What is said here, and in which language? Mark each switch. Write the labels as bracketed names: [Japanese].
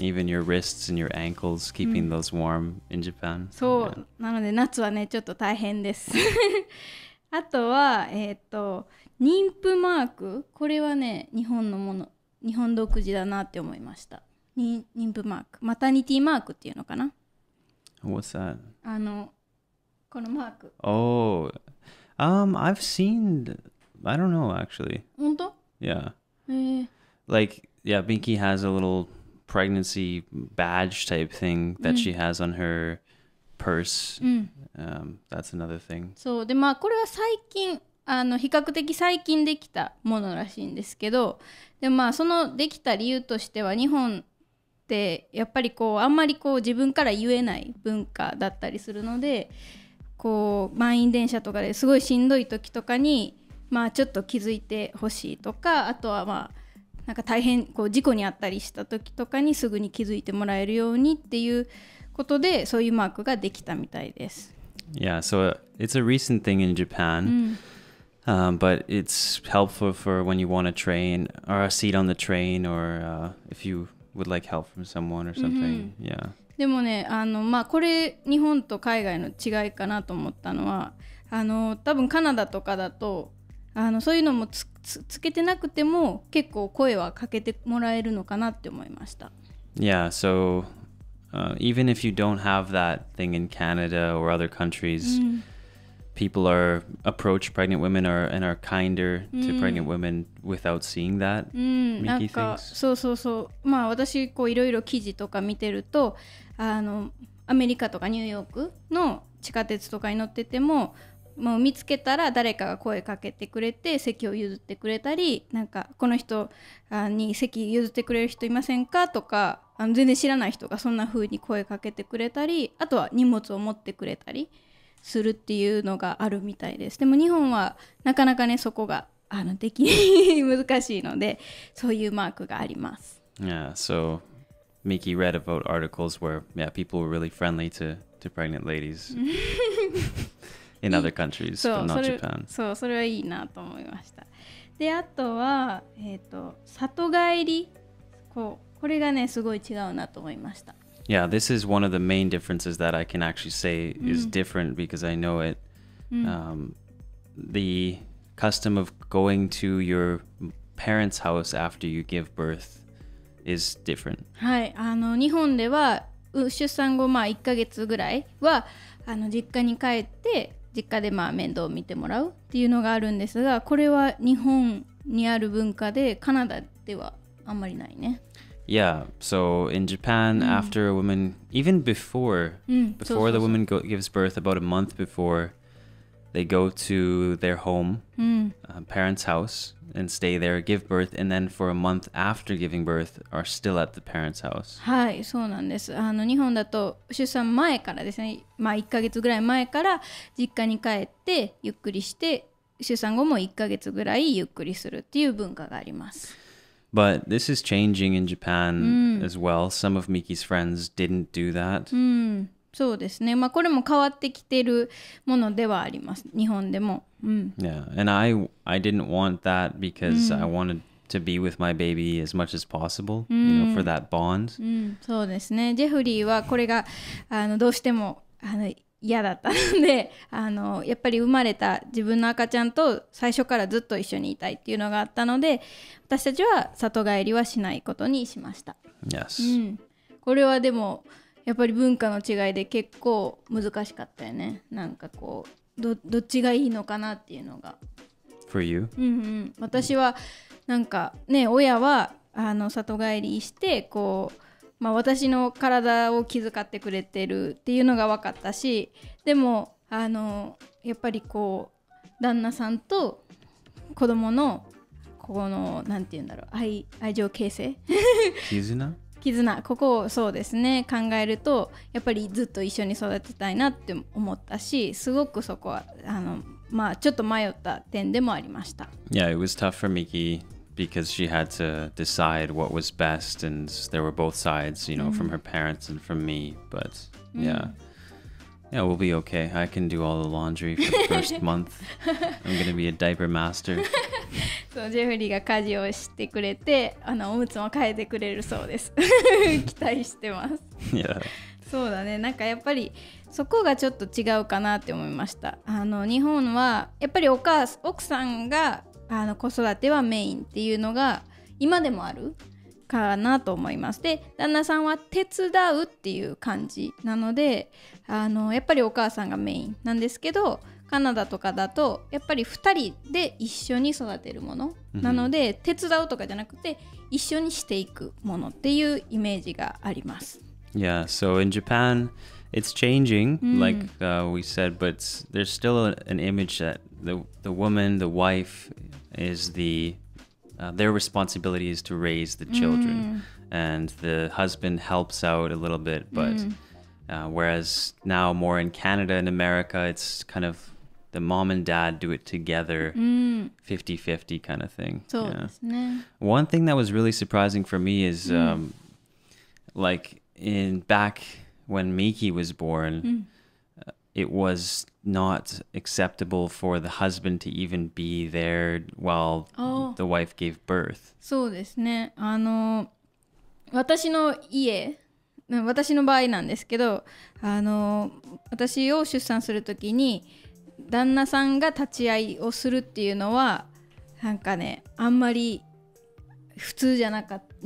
[English] Even your wrists and your ankles, keeping those warm in Japan. [Japanese] そう、yeah. なので夏はねちょっと大変ですあとは妊婦マーク、これはね日本のもの、日本独自だなって思いました。妊婦マーク、マタニティマークっていうのかな。 [English] What's that? [Japanese] あのこのマーク。 [English] Oh, I've seenI don't know, actually. [Japanese] 本当? [English] Yeah.、 [Japanese] えー、 [English] like, yeah, Binky has a little pregnancy badge type thing that、うん、she has on her purse.、 [Japanese] うん、 [English] that's another thing. [Japanese] そう、で、まあこれは最近、あの比較的最近できたものらしいんですけど、でまあそのできた理由としては、日本ってやっぱりこうあんまりこう自分から言えない文化だったりするので、こう満員電車とかですごいしんどい時とかに、まあちょっと気づいてほしいとか、あとはまあなんか大変こう事故にあったりした時とかにすぐに気づいてもらえるようにっていうことで、そういうマークができたみたいです。 [English] Yeah, so it's a recent thing in Japan、うん、but it's helpful for when you want a train or a seat on the train or if you would like help from someone or something、うん、Yeah. [Japanese] でもね、あのまあこれ日本と海外の違いかなと思ったのは、あの多分カナダとかだと、あのそういうのも つけてなくても結構声はかけてもらえるのかなって思いました。 [English] Yeah, so、even if you don't have that thing in Canada or other countries、うん、people are approach pregnant women are, and are kinder to pregnant women without seeing that、 [Japanese] うん、 [English] Miki thinks [Japanese] そうそうそう、まあ私こういろいろ記事とか見てると、あのアメリカとかニューヨークの地下鉄とかに乗ってても、もう見つけたら誰かが声かけてくれて席を譲ってくれたり、なんかこの人に席譲ってくれる人いませんかとか、あの全然知らない人がそんな風に声かけてくれたり、あとは荷物を持ってくれたりするっていうのがあるみたいです。でも日本はなかなかねそこがあのでき難しいので、そういうマークがあります。 [English] Yeah, so Miki read about articles where yeah, people were really friendly to pregnant ladies in other countries, but not Japan. [Japanese] そう、それはいいなと思いました。で、あとは、里帰り、こう、これがね、すごい違うなと思いました。 [English] Yeah, this is one of the main differences that I can actually say is different because I know it.、The custom of going to your parents' house after you give birth is different. [Japanese] はい、あの、日本では、出産後、まあ、1ヶ月ぐらいは、あの、実家に帰って、実家でまあ面倒を見てもらうっていうのがあるんですが、これは日本にある文化で、カナダではあんまりないね。 [English] Yeah, so in Japan,、うん、after a woman, even before,、 [Japanese] うん、 [English] before [Japanese] そうそうそう [English] the woman gives birth, about a month before, they go to their home,、 [Japanese] うん、 [English] parents' house, and stay there, give birth, and then for a month after giving birth, are still at the parents' house. [Japanese] はい、そうなんです。あの日本だと出産前からですね、まあ1ヶ月ぐらい前から実家に帰ってゆっくりして、出産後も1ヶ月ぐらいゆっくりするっていう文化があります。 [English] But this is changing in Japan、うん、as well. Some of Miki's friends didn't do that.、 [Japanese] うん、そうですね。まあこれも変わってきてるものではあります。日本でも。うん、 [English] yeah, and I didn't want that because、うん、I wanted to be with my baby as much as possible, you know, for that bond.、 [Japanese] うん、そうですね。ジェフリーはこれがどうしても嫌だったのでやっぱり生まれた自分の赤ちゃんと最初からずっと一緒にいたいっていうのがあったので、私たちは里帰りはしないことにしました。 [English] Yes.、 [Japanese] うん、これはでも、やっぱり文化の違いで結構難しかったよね。なんかこう、どっちがいいのかなっていうのが。 [English] For you? [Japanese] うんうん。私は、なんかね、親は里帰りして、こう、まあ私の体を気遣ってくれてるっていうのが分かったし、でも、やっぱりこう、旦那さんと子供の、この、なんて言うんだろう、愛情形成絆絆、ここをそうですね、考えるとやっぱりずっと一緒に育てたいなって思ったし、すごくそこはまあちょっと迷った点でもありました。 [English] Yeah, it was tough for Miki because she had to decide what was best and there were both sides, you know,、うん、from her parents and from me, but yeah, we'll be okay. I can do all the laundry for the first month. I'm gonna be a diaper master. [Japanese] そう、ジェフリーが家事をしてくれて、おむつも変えてくれるそうです。期待してます。 [English] Yeah. [Japanese] そうだね。なんかやっぱりそこがちょっと違うかなって思いました。日本はやっぱり奥さんが子育てはメインっていうのが今でもあるかなと思います。で、旦那さんは手伝うっていう感じなので、やっぱりお母さんがメインなんですけど、カナダとかだとやっぱり2人で一緒に育てるものなので、うん、手伝うとかじゃなくて一緒にしていくものっていうイメージがあります。 [English] Yeah, so in Japan it's changing、うん、like we said, but there's still an image that the woman, the wife is theTheir responsibility is to raise the children、mm. and the husband helps out a little bit, but、mm. Whereas now more in Canada and America, it's kind of the mom and dad do it together、 mm. 50-50 kind of thing. So,、yeah. One thing that was really surprising for me is、mm. Like in back when Miki was born、mm. It was not acceptable for the husband to even be there while、oh. the wife gave birth. [Japanese] そうですね。私の家、私の場合なんですけど、私を出産するときに旦那さんが立ち会いをするっていうのはなんかね、あんまり普通じゃなかった。